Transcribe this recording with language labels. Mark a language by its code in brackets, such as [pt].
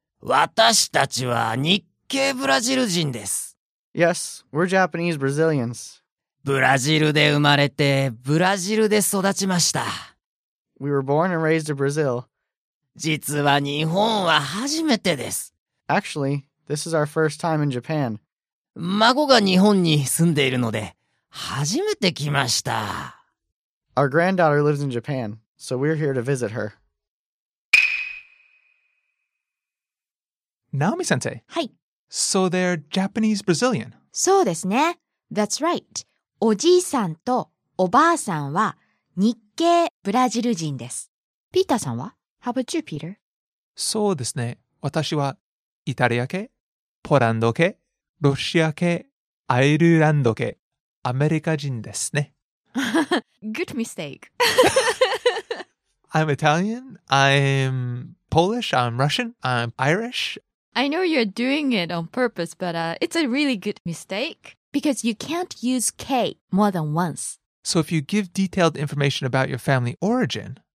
[ja] 私たちは日系ブラジル人です。 [en] Yes, we're Japanese Brazilians. [ja] ブラジルで生まれて、ブラジルで育ちました。 [en] We were born and raised in Brazil. [ja] 実は日本は初めてです。 [en] Actually, this is our first time in Japan. [ja] 孫が日本に住んでいるので、初めて来ました。 [en] Our granddaughter lives in Japan, so we're here to visit her. Naomi-sensei. [ja] はい。 [en] So they're Japanese Brazilian. [ja] そうですね。 [en] That's right. [ja] おじいさんとおばあさんは日系ブラジル人です。ピーターさんは? [en] How about you, Peter? [ja] そうですね。私はイタリア系、ポランド系、ロシア系、アイルランド系、アメリカ人ですね。 [en] Good mistake. I'm Italian, I'm Polish, I'm Russian, I'm Irish. I know you're doing it on purpose, but it's a really good mistake because you can't use K more than once. So if you give detailed information about your family origin,